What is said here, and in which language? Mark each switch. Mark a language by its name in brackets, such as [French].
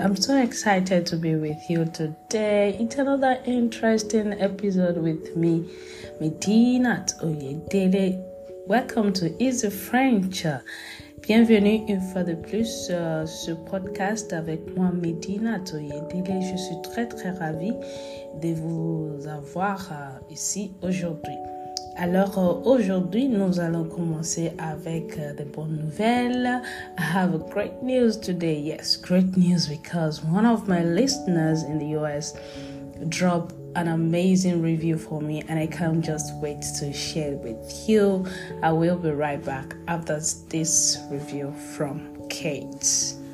[English] I'm so excited to be with you today. It's another interesting episode with me, Medinat Oyedele. Welcome to Easy French. [French] Bienvenue une fois de plus sur ce podcast avec moi, Medinat Oyedele. Je suis très très ravie de vous avoir ici aujourd'hui. Alors aujourd'hui, nous allons commencer avec des bonnes nouvelles. [English] I have a great news today. Yes, great news because one of my listeners in the US dropped an amazing review for me and I can't just wait to share it with you. I will be right back after this review from Kate.